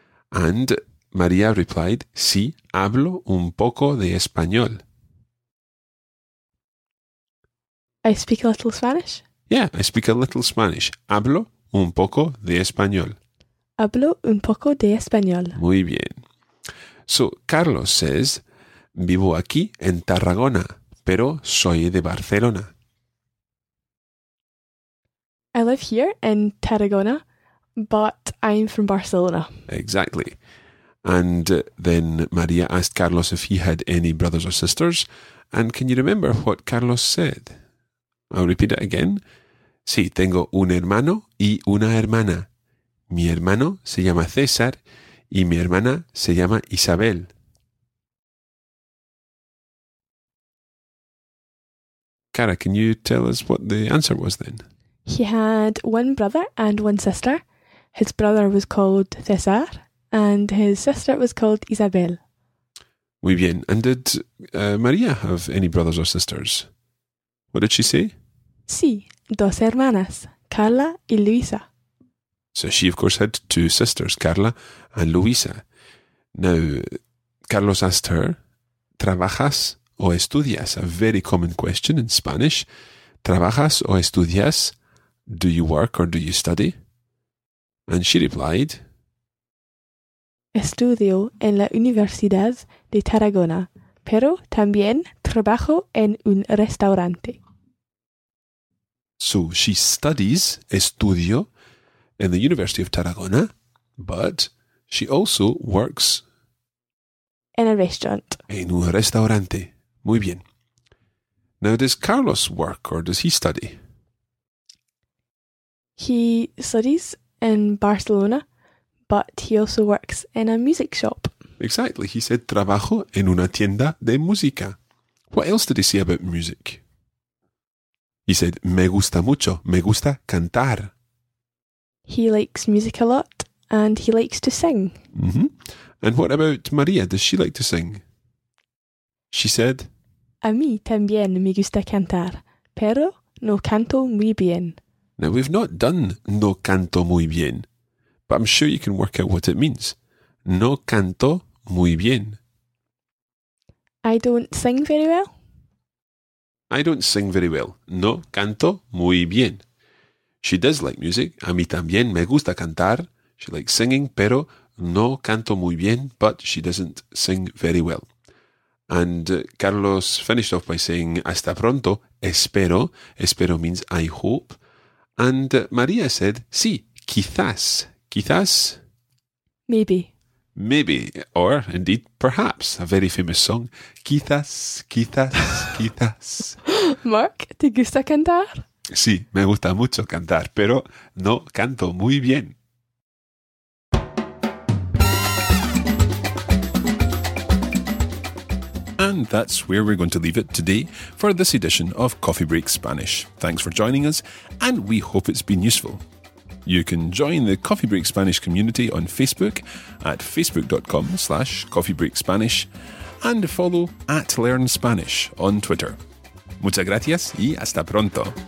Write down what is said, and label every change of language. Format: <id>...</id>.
<en>And María replied,</en> <es>"Sí, hablo un poco de español."</es> <en>I speak a little Spanish? Yeah, I speak a little Spanish.</en> <es>Hablo un poco de español. Hablo un poco de español. Muy bien.</es> <en>So, Carlos says,</en> <es>"Vivo aquí en Tarragona, pero soy de Barcelona."</es> <en>I live here in Tarragona, but I'm from Barcelona. Exactly. And then Maria asked Carlos if he had any brothers or sisters. And can you remember what Carlos said? I'll repeat it again.</en> <es>Sí, tengo un hermano y una hermana. Mi hermano se llama César y mi hermana se llama Isabel.</es> <en>Cara, can you tell us what the answer was then? He had one brother and one sister. His brother was called César and his sister was called Isabel.</en> <es>Muy bien.</es> <en>And did María have any brothers or sisters? What did she say?</en> <es>Sí, dos hermanas, Carla y Luisa.</es> <en>So she, of course, had two sisters, Carla and Luisa. Now, Carlos asked her,</en> <es>¿Trabajas o estudias?</es> <en>A very common question in Spanish.</en> <es>¿Trabajas o estudias?</es> <en>Do you work or do you study? And she replied,</en> <es>Estudio en la Universidad de Tarragona, pero también trabajo en un restaurante.</es> <en>So she studies,</en> <es>estudio,</es> <en>in the University of Tarragona, but she also works in a restaurant.</en> <es>En un restaurante. Muy bien.</es> <en>Now, does Carlos work or does he study? He studies in Barcelona, but he also works in a music shop. Exactly. He said,</en> <es>trabajo en una tienda de música.</es> <en>What else did he say about music? He said,</en> <es>me gusta mucho, me gusta cantar.</es> <en>He likes music a lot and he likes to sing. Mm-hmm. And what about María? Does she like to sing? She said,</en> <es>A mí también me gusta cantar, pero no canto muy bien.</es> <en>Now, we've not done</en> <es>no canto muy bien,</es> <en>but I'm sure you can work out what it means.</en> <es>No canto muy bien.</es> <en>I don't sing very well. I don't sing very well.</en> <es>No canto muy bien.</es> <en>She does like music.</en> <es>A mí también me gusta cantar.</es> <en>She likes singing,</en> <es>pero no canto muy bien,</es> <en>but she doesn't sing very well. And Carlos finished off by saying,</en> <es>hasta pronto, espero.</es> <en>Espero means I hope. And María said,</en> <es>sí, quizás. Quizás.</es> <en>Maybe. Maybe, or indeed, perhaps, a very famous song.</en> <es>Quizás, quizás, quizás. Mark, ¿te gusta cantar? Sí, me gusta mucho cantar, pero no canto muy bien.</es> <en>And that's where we're going to leave it today for this edition of Coffee Break Spanish. Thanks for joining us, and we hope it's been useful. You can join the Coffee Break Spanish community on Facebook at facebook.com/coffeebreakspanish and follow at Learn Spanish on Twitter.</en> <es>Muchas gracias y hasta pronto.</es>